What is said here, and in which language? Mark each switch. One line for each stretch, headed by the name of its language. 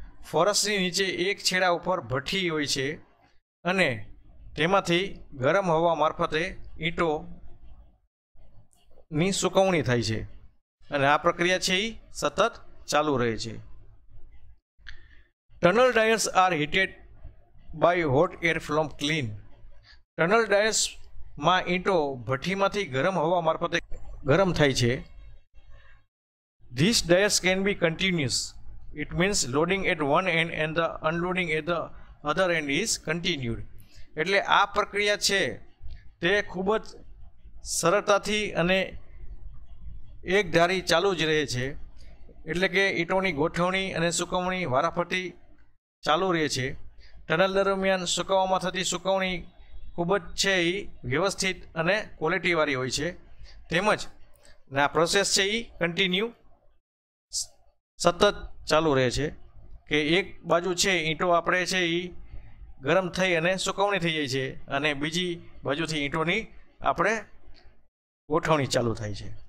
Gujarati: ફરસની નીચે એક છેડા ઉપર ભઠ્ઠી હોય છે અને તેમાંથી ગરમ હવા મારફતે ઈંટોની સુકવણી થાય છે અને આ પ્રક્રિયા છે એ સતત ચાલુ રહે છે।
English: Tunnel dryers are heated by hot air from kiln.
Gujarati: Tunnel ડ્રાયર્સમાં ઈંટો ભઠ્ઠીમાંથી ગરમ હવા મારફતે ગરમ થાય છે।
English: This dryers can be continuous. It means loading at one end and the unloading at the other end is continued.
Gujarati: એટલે આ પ્રક્રિયા છે તે ખૂબ જ સરળતાથી અને એક ધારી ચાલુ જ રહે છે એટલે કે ઈંટોની ગોઠવણી અને સુકવણી વારાફરતી ચાલુ રહે છે। ટનલ દરમિયાન સુકવવામાં થતી સુકવણી ખૂબ જ છે એ વ્યવસ્થિત અને ક્વોલિટીવાળી હોય છે તેમજ આ પ્રોસેસ છે એ કન્ટિન્યુ સતત ચાલુ રહે છે કે એક બાજુ છે ઈંટો આપણે છે એ ગરમ થઈ અને સુકવણી થઈ જાય છે અને બીજી બાજુથી ઈંટોની આપણે ગોઠવણી ચાલુ થાય છે।